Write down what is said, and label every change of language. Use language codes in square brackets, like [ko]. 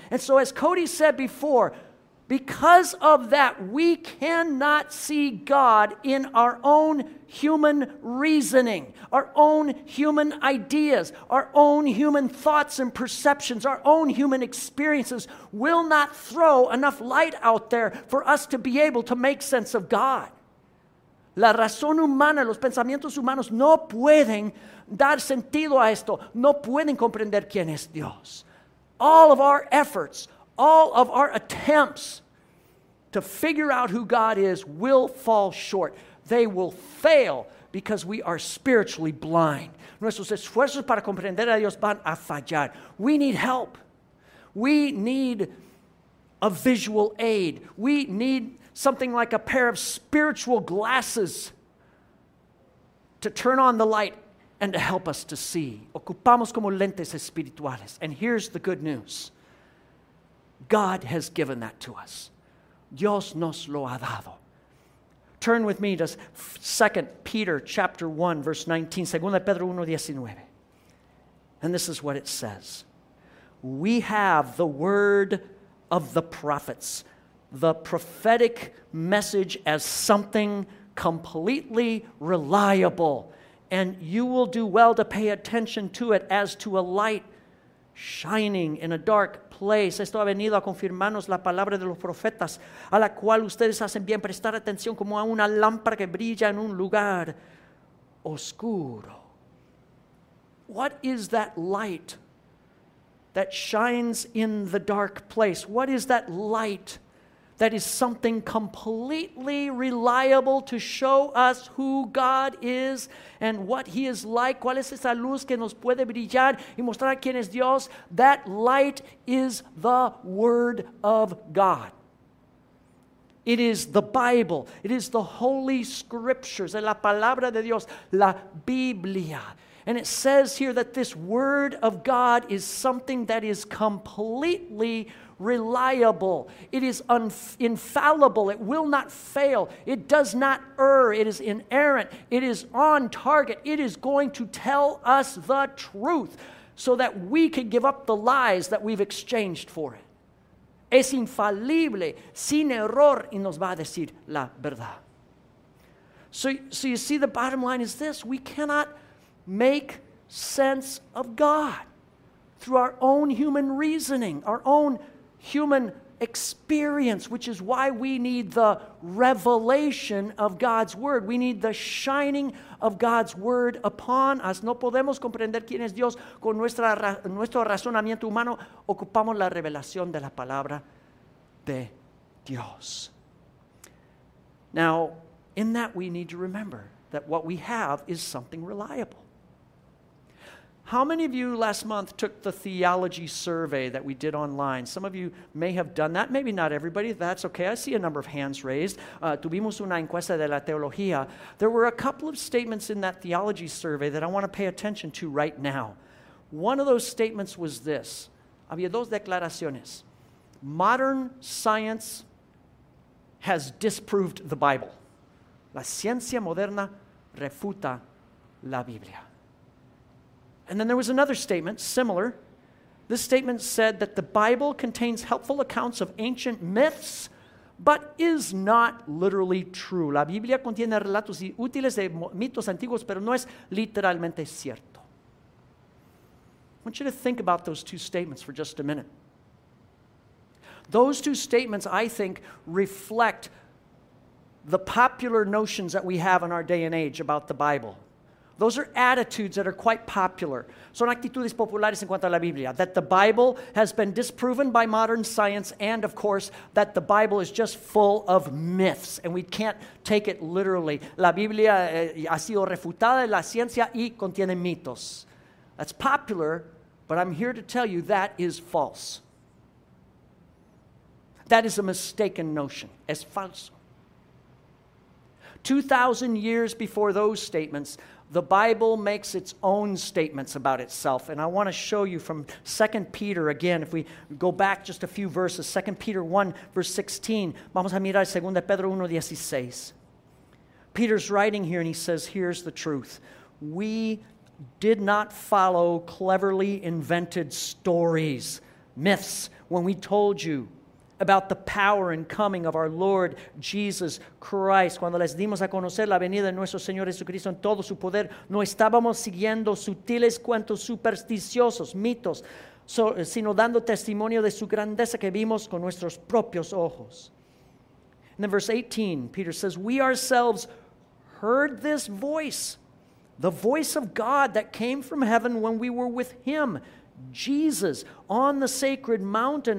[en] And so as Cody said before, because of that, we cannot see God in our own human reasoning, our own human ideas, our own human thoughts and perceptions, our own human experiences will not throw enough light out there for us to be able to make sense of God. [es] La razón humana, los pensamientos humanos no pueden dar sentido a esto, no pueden comprender quién es Dios. [en] All of our efforts, all of our attempts to figure out who God is will fall short. They will fail because we are spiritually blind. [es] Nuestros esfuerzos para comprender a Dios van a fallar. [en] We need help. We need a visual aid. We need something like a pair of spiritual glasses to turn on the light and to help us to see. [es] Ocupamos como lentes espirituales. [en] And here's the good news. God has given that to us. [es] Dios nos lo ha dado. [en] Turn with me to 2 Peter chapter 1, verse 19. Segunda [es] Pedro 1, 19. [en] And this is what it says. We have the word of the prophets, the prophetic message as something completely reliable. And you will do well to pay attention to it as to a light shining in a dark place. [es] Esto ha venido a confirmarnos la palabra de los profetas, a la cual ustedes hacen bien prestar atención como a una lámpara que brilla en un lugar oscuro. [en] What is that light that shines in the dark place? What is that light that is something completely reliable to show us who God is and what He is like? [es] ¿Cuál es esa luz que nos puede brillar y mostrar quién es Dios? [en] That light is the Word of God. It is the Bible. It is the Holy Scriptures. [es] Es la palabra de Dios, la Biblia. [en] And it says here that this Word of God is something that is completely reliable. It is infallible. It will not fail. It does not err. It is inerrant. It is on target. It is going to tell us the truth so that we can give up the lies that we've exchanged for it. [es] Es infalible, sin error, y nos va a decir la verdad. [en] So you see, the bottom line is this: we cannot make sense of God through our own human reasoning, our own human experience, which is why we need the revelation of God's Word. We need the shining of God's Word upon us. [es] No podemos comprender quién es Dios con nuestro razonamiento humano. Ocupamos la revelación de la palabra de Dios. [en] Now, in that we need to remember that what we have is something reliable. How many of you last month took the theology survey that we did online? Some of you may have done that. Maybe not everybody. That's okay. I see a number of hands raised. [es] Tuvimos una encuesta de la teología. [en] There were a couple of statements in that theology survey that I want to pay attention to right now. One of those statements was this. [es] Había dos declaraciones. [en] Modern science has disproved the Bible. [es] La ciencia moderna refuta la Biblia. [en] And then there was another statement, similar. This statement said that the Bible contains helpful accounts of ancient myths, but is not literally true. [es] La Biblia contiene relatos útiles de mitos antiguos, pero no es literalmente cierto. [en] I want you to think about those two statements for just a minute. Those two statements, I think, reflect the popular notions that we have in our day and age about the Bible. Those are attitudes that are quite popular. [es] Son actitudes populares en cuanto a la Biblia. [en] That the Bible has been disproven by modern science, and of course, that the Bible is just full of myths, and we can't take it literally. [es] La Biblia ha sido refutada en la ciencia y contiene mitos. [en] That's popular, but I'm here to tell you that is false. That is a mistaken notion. [es] Es falso. [en] 2,000 years before those statements, the Bible makes its own statements about itself. And I want to show you from 2 Peter again. If we go back just a few verses, 2 Peter 1, verse 16. [es] Vamos a mirar 2 Pedro 1, 16. [en] Peter's writing here and he says, here's the truth. We did not follow cleverly invented stories, myths, when we told you about the power and coming of our Lord Jesus Christ. [es] Cuando les dimos a conocer la venida de nuestro Señor Jesucristo en todo su poder, no estábamos siguiendo sutiles cuentos supersticiosos, mitos, sino dando testimonio de su grandeza que vimos con nuestros propios ojos. [en] And then verse 18, Peter says, we ourselves heard this voice, the voice of God that came from heaven when we were with him, Jesus, on the sacred mountain.